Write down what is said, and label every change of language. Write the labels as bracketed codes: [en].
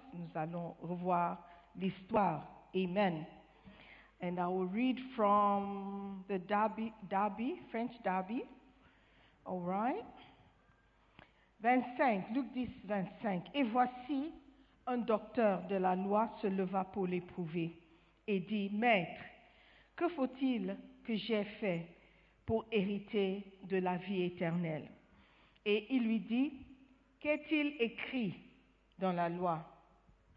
[fr] Nous allons revoir l'histoire. [en] Amen. And I will read from the Darby, French Darby. All right. 25, Luc 10, 25. [fr] Et voici, un docteur de la loi se leva pour l'éprouver et dit, « Maître, que faut-il que j'aie fait pour hériter de la vie éternelle ?» Et il lui dit, « Qu'est-il écrit dans la loi ?